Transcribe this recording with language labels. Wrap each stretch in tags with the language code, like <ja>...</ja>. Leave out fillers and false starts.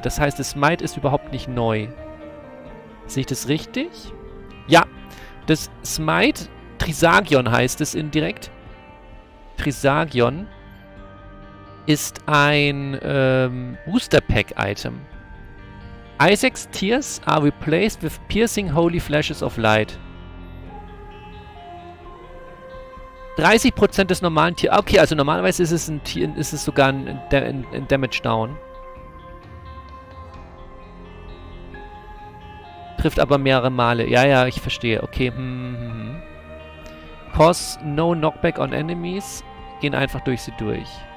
<de>Das heißt, das Smite ist überhaupt nicht neu. Sehe ich das richtig? Ja, das Smite, Trisagion heißt es indirekt. Trisagion ist ein Booster-Pack-Item.</de> <en>Isaac's Tears are replaced with piercing holy flashes of light.</en> <de>30% des normalen Tier. Okay, also normalerweise ist es ein Tier, ist es sogar ein Damage Down. Trifft aber mehrere Male. Ja, ja, ich verstehe. Okay.</de> <en>Cause no knockback on enemies.</en> <de>Gehen einfach durch sie durch.</de>